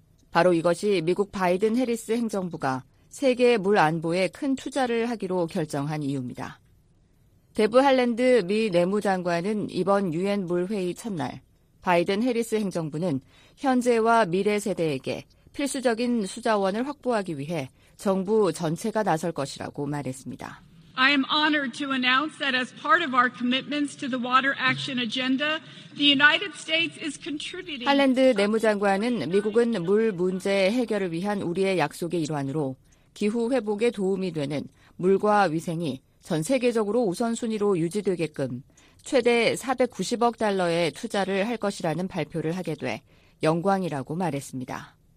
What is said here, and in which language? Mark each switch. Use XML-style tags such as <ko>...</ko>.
<ko>바로 이것이 미국 바이든 해리스 행정부가 세계 물 안보에 큰 투자를 하기로 결정한 이유입니다. 데브 할랜드 미 내무장관은 이번 유엔 물회의 첫날 바이든 해리스 행정부는 현재와 미래 세대에게 필수적인 수자원을 확보하기 위해 정부 전체가 나설 것이라고 말했습니다.</ko> <en>I am honored to announce that as part of our commitments to the Water Action Agenda, the United States is contributing.</en> <ko>할랜드 내무장관은 미국은 물 문제 해결을 위한 우리의 약속의 일환으로 기후 회복에 도움이 되는 물과 위생이 전 세계적으로 우선순위로 유지되게끔 최대 490억 달러의 투자를 할 것이라는 발표를 하게 돼 영광이라고 말했습니다.</ko>